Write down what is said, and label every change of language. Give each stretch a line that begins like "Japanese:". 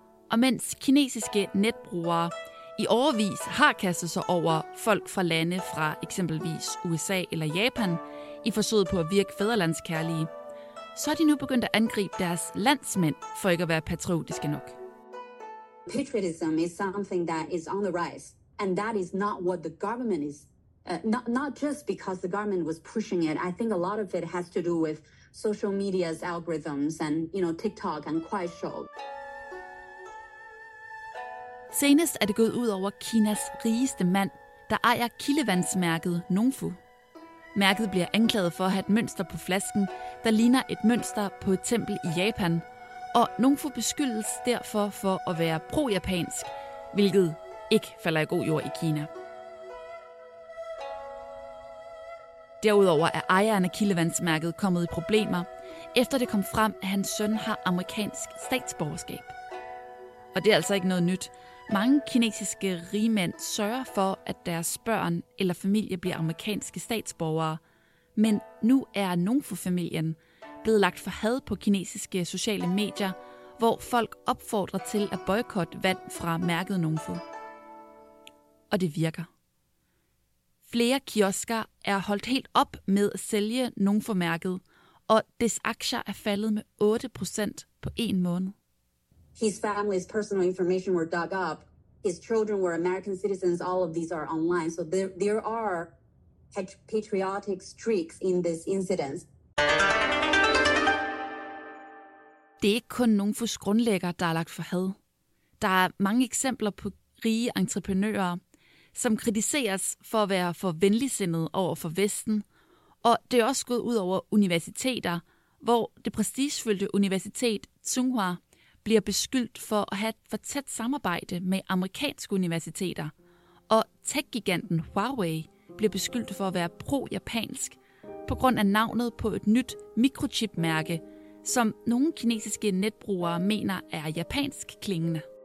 Danish: Og mens kinesiske netbrugere i overvis har kastet sig over folk fra lande fra eksempelvis USA eller Japan i forsøget på at virke fædrelandskærlige, så er de nu begyndt at angribe deres landsmænd for ikke at være patriotiske nok.
English: Patriotism is something that is on the rise, and that is not what the government is. Not just because the government was pushing it. I think a lot of it has to do with social media's algorithms and, you know, TikTok and Kuaishou.
Danish: Senest er det gået ud over Kinas rigeste mand, der ejer kildevandsmærket Nongfu. Mærket bliver anklaget for at have et mønster på flasken, der ligner et mønster på et tempel i Japan. Og Nongfu beskyldes derfor for at være pro-japansk, hvilket ikke falder i god jord i Kina. Derudover er ejeren af kildevandsmærket kommet i problemer, efter det kom frem, at hans søn har amerikansk statsborgerskab. Og det er altså ikke noget nyt. Mange kinesiske rigmænd sørger for, at deres børn eller familie bliver amerikanske statsborgere. Men nu er Nongfu-familien blevet lagt for had på kinesiske sociale medier, hvor folk opfordrer til at boykotte vand fra mærket Nongfu. Og det virker. Flere kiosker er holdt helt op med at sælge Nongfu-mærket, og dets aktier er faldet med 8% på en måned.
English: His family's personal information were dug up. His children were American citizens. All of these are online. So there are patriotic streaks in this incident.
Danish: Det er ikke kun Nongfus grundlægger, der er lagt for had. Der er mange eksempler på rige entreprenører, som kritiseres for at være for venligsindede over for Vesten. Og det er også gået ud over universiteter, hvor det prestigefyldte universitet Tsinghua bliver beskyldt for at have for tæt samarbejde med amerikanske universiteter, og tech-giganten Huawei bliver beskyldt for at være pro-japansk på grund af navnet på et nyt mikrochip-mærke, som nogle kinesiske netbrugere mener er japansk klingende.